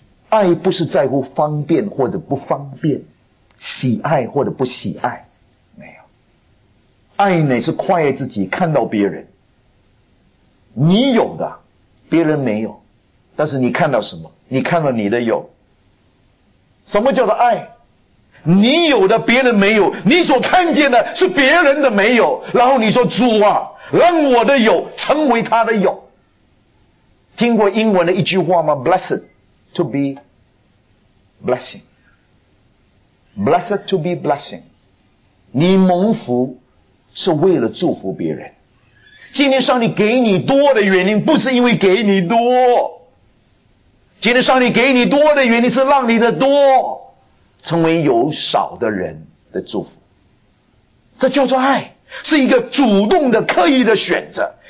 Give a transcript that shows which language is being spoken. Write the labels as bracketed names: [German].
[Chinese] 爱不是在乎方便或者不方便，喜爱或者不喜爱，爱呢是跨越自己，看到别人，你有的别人没有，但是你看到什么？你看到你的有。什么叫做爱？你有的别人没有，你所看见的是别人的没有，然后你说，主啊，让我的有成为他的有。听过英文的一句话吗？ [English] Blessed to be blessing， Blessed to be blessing， [Chinese] 你蒙福是为了祝福别人，今天上帝给你多的原因不是因为给你多，今天上帝给你多的原因是让你的多成为有少的人的祝福。这叫做爱，是一个主动的刻意的选择。